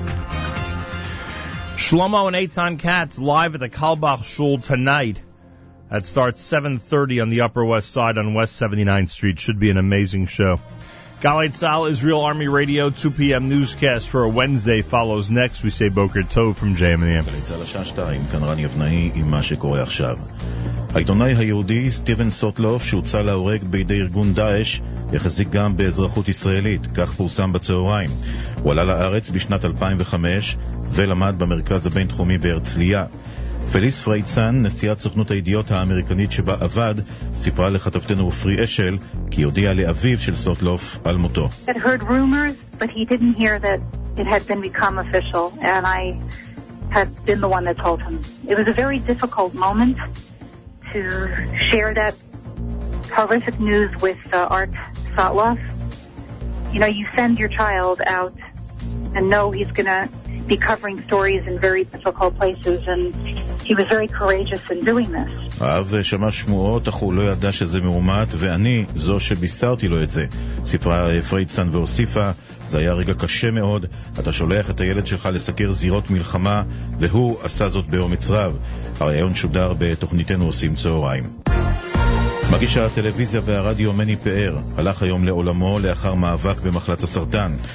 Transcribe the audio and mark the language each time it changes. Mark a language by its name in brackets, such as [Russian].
[English] Shlomo and Eitan Katz live at the Kalbach Shul tonight. That starts 7:30 on the Upper West Side on West 79th Street. Should be an amazing show. Galei Tzal, Israel Army Radio, 2 p.m. newscast for a Wednesday follows next. We say Boker Tov from JM and the AM. [Hebrew] Galei Tzal, השעה 2, כאן רני אבנאי, עם מה שקורה עכשיו. העיתונאי היהודי סטיבן סוטלוף, שהוצא להורג בידי ארגון דאש, יחזיק גם באזרחות ישראלית, כך פורסם בצהריים. הוא עלה לארץ בשנת 2005 ולמד במרכז הבינתחומי בהרצליה. פליס פרייצן, נשיאת סוכנות הידיעות האמריקנית שבה עבד, סיפרה לחטפתנו אופרי אשל כי הודיע לאביו של סוטלוף על מותו. [English] I heard rumors, but he didn't hear that it had been become official, and I had been the one that told him. It was a very difficult moment to share that horrific news with Art Sotloff. You know, you send your child out and know he's going to be covering stories in very difficult places, and he was very courageous in doing this. [Hebrew] האב שמע שמועות, אך הוא לא ידע שזה מאומת, ואני זו שבישרתי לו את זה. סיפרה פרייצן והוסיפה, זה היה רגע קשה מאוד, אתה שולח את הילד שלך לסקר זירות מלחמה, והוא עשה זאת באומץ רב. הרעיון שודר בתוכניתנו עושים צהריים. מגיש הטלוויזיה והרדיו מני פאר הלך היום לעולמו לאחר מאבק במחלת הסרטן.